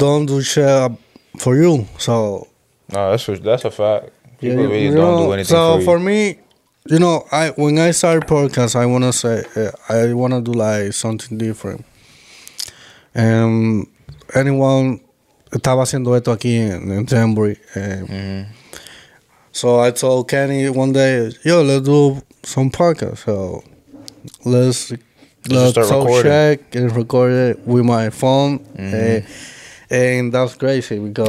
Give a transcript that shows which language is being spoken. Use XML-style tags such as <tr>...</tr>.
<en>Don't do shit for you. So no, that's a fact. People yeah, really don't know, do anything. So for me, you know, when I start podcast, I want to say I want to do like something different, and anyone.</en> <es>Estaba haciendo esto aquí en Tambury.</es> <en>So I told Kenny one day, yo, let's do some podcast. So let's talk check and record it with my phone. Mm-hmm. And that's crazy because</en>